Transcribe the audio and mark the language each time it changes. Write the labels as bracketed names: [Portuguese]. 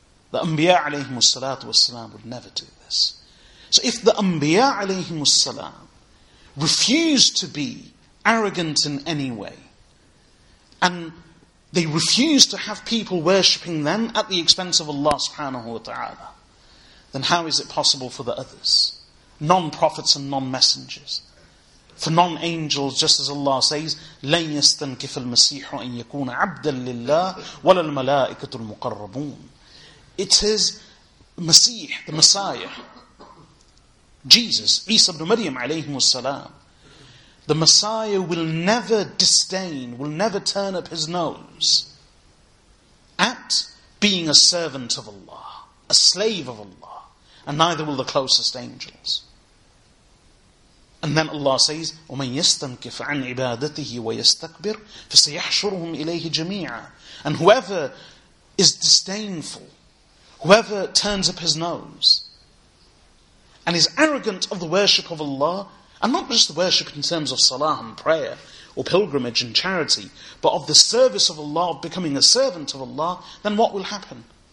[English] The Anbiya alayhi salatu wasalam would never do this. So if the Anbiya alayhi salam refused to be arrogant in any way, and they refused to have people worshipping them at the expense of Allah subhanahu wa ta'ala, then how is it possible for the others? Non-prophets and non-messengers. For non-angels, just as Allah says, [Arabic] لَنْ يَسْتَنْكِفَ الْمَسِيحُ أَنْ يَكُونَ عَبْدًا لِلَّهِ وَلَا الْمَلَائِكَةُ الْمُقَرَّبُونَ. [English] It is Masih, the Messiah, Jesus, Isa ibn Maryam alayhimu salam. The Messiah will never disdain, will never turn up his nose at being a servant of Allah, a slave of Allah. And neither will the closest angels. And then Allah says, [Arabic] وَمَنْ يَسْتَنْكِفْ عَنْ عِبَادَتِهِ وَيَسْتَكْبِرْ فَسَيَحْشُرُهُمْ إِلَيْهِ جَمِيعًا. [English] And whoever is disdainful, whoever turns up his nose, and is arrogant of the worship of Allah, and not just the worship in terms of salah and prayer, or pilgrimage and charity, but of the service of Allah, of becoming a servant of Allah, then what will happen?